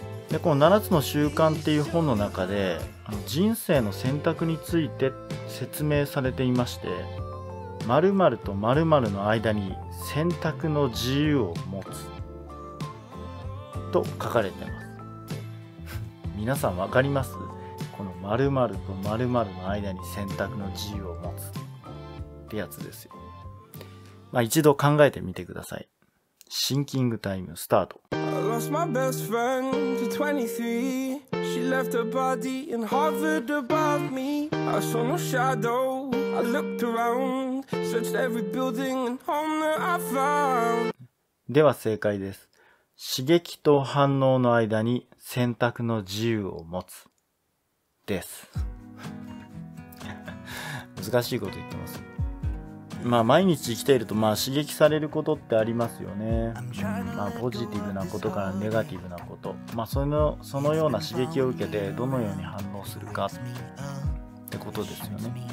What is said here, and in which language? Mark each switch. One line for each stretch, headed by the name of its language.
Japanese: でこの7つの習慣っていう本の中で人生の選択について説明されていまして、〇〇と〇〇の間に選択の自由を持つと書かれてます。皆さんわかります？この〇〇と〇〇の間に選択の自由を持つってやつですよ。まあ、一度考えてみてください。シンキングタイムスタート。
English: I lost my best friend to 23. She left her body and hovered above me. I saw no shadow. I looked around, searched every building and home that I found.
Japanese: では正解です。刺激と反応の間に選択の自由を持つです。難しいこと言ってます。まあ、毎日生きているとまあ刺激されることってありますよね。まあ、ポジティブなことからネガティブなこと、まあ、そのような刺激を受けてどのように反応するかってことですよね。